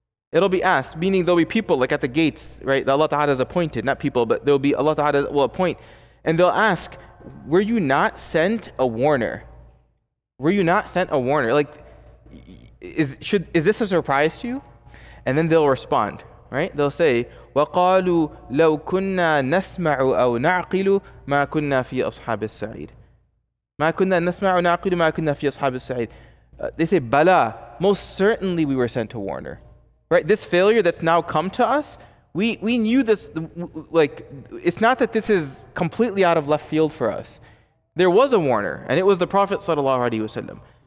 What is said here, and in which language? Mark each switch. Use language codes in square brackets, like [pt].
[en] It'll be asked, meaning there'll be people like at the gates, right, that Allah Ta'ala has appointed, not people, but there'll be Allah Ta'ala will appoint. And they'll ask, were you not sent a warner? Were you not sent a warner? Like, is this a surprise to you? And then they'll respond, right? They'll say, [ar] وَقَالُوا لَوْ كُنَّا نَسْمَعُ أَوْ نَعْقِلُ مَا كُنَّا فِي أَصْحَابِ السَّعِيدِ. مَا كُنَّا نَسْمَعُ نَعْقِلُ مَا كُنَّا فِي أَصْحَابِ السَّعِيدِ. [en] They say, بَلَا, most certainly we were sent a warner. Right? This failure that's now come to us, We knew this, like, it's not that this is completely out of left field for us. There was a warner, and it was the Prophet sallallahu alaihi wasallam.